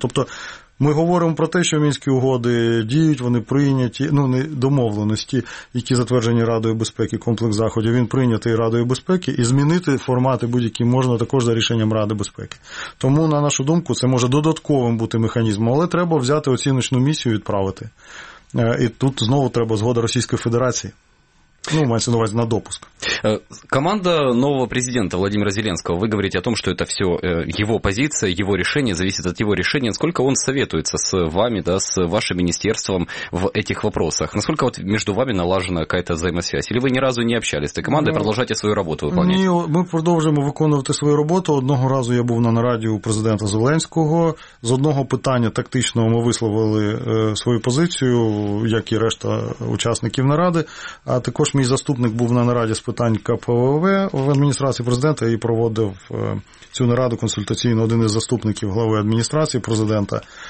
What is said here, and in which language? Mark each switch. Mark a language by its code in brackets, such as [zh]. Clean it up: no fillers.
[uk] Тобто, ми говоримо про те, що Мінські угоди діють, вони прийняті, ну, не домовленості, які затверджені Радою безпеки, комплекс заходів, він прийнятий Радою безпеки, і змінити формати будь-які можна також за рішенням Ради безпеки. Тому, на нашу думку, це може додатковим бути механізмом, але треба взяти оціночну місію і відправити. І тут знову треба згода Російської Федерації. Ну, мається на увазі на допуск. [ru] Команда нового президента Владимира Зеленского, вы говорите о том, что это все его позиция, его решение, зависит от его решения. Насколько он советуется с вами, да, с вашим министерством в этих вопросах? Насколько вот между вами налажена какая-то взаимосвязь? Или вы ни разу не общались с этой командой, продолжаете свою работу выполнять? [uk] Ні, ми продовжуємо виконувати свою роботу. Одного разу я був на нараді у президента Зеленського. З одного питання тактичного ми висловили свою позицію, як і решта учасників наради. А також мій заступник був на нараді з питань КПВВ в адміністрації президента і проводив цю нараду консультаційно один із заступників глави адміністрації президента.